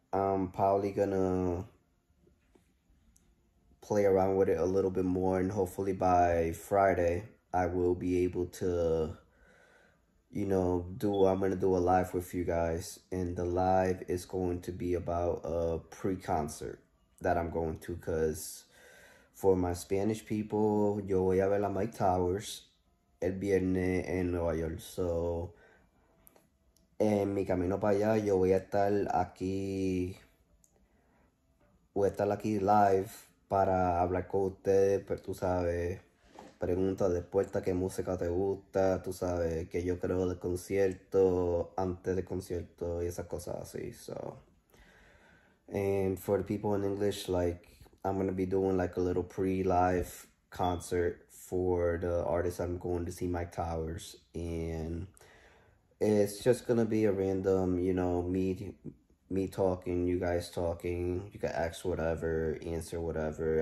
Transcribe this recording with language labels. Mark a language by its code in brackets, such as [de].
[en] I'm probably gonna play around with it a little bit more, and hopefully by Friday I will be able to, you know, I'm gonna do a live with you guys, and the live is going to be about a pre-concert that I'm going to, because for my Spanish people, [es] yo voy a ver la Mike Towers el viernes en Nueva York. So en mi camino para allá, yo voy a estar aquí live para hablar con ustedes, pero tú sabes, preguntas de puerta, qué música te gusta, tú sabes, qué yo creo del concierto, antes del concierto y esas cosas así. [en] So, and for the people in English, like, I'm gonna be doing like a little pre-live concert for the artist I'm going to see, Mike Towers, and it's just gonna be a random, me talking, you guys talking, you can ask whatever, answer whatever.